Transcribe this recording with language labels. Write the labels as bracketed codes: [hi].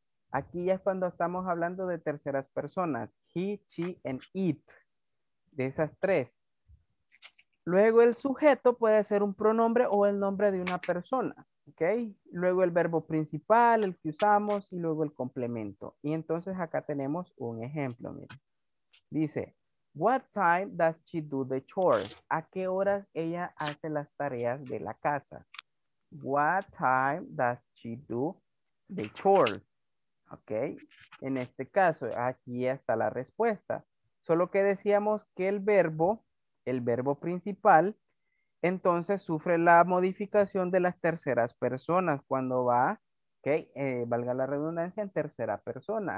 [es] Aquí ya es cuando estamos hablando de terceras personas. [en] He, she, and it. [es] De esas tres. Luego el sujeto puede ser un pronombre o el nombre de una persona. ¿Ok? Luego el verbo principal, el que usamos, y luego el complemento. Y entonces acá tenemos un ejemplo. Miren. Dice, [en] what time does she do the chores? [es] ¿A qué horas ella hace las tareas de la casa? [en] What time does she do the chores? ¿Ok? [es] En este caso, aquí está la respuesta. Solo que decíamos que el verbo principal, entonces sufre la modificación de las terceras personas cuando va, okay, valga la redundancia, en tercera persona.